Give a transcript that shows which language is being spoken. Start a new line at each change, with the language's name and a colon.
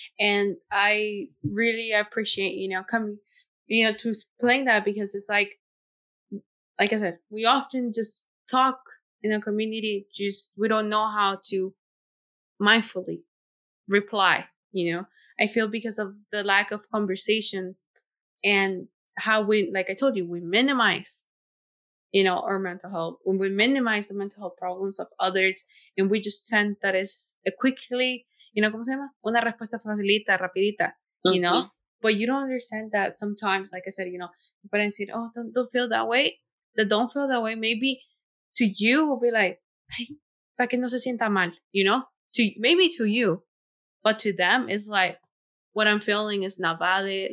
English: And I really appreciate, you know, coming, you know, to explain that, because it's like I said, we often just talk in a community, just we don't know how to mindfully reply, you know. I feel because of the lack of conversation and how we, like I told you, we minimize, you know, our mental health, when we minimize the mental health problems of others, and we just tend that is a quickly, you know,
Spanish: como se llama? Una respuesta facilita, rapidita, mm-hmm.
English: you know? But you don't understand that sometimes, like I said, you know, but I said, oh, don't feel that way. That don't feel that way. Maybe to you will be like, hey,
Spanish: para que no se sienta mal,
English: you know? Maybe to you, but to them, it's like, what I'm feeling is not valid.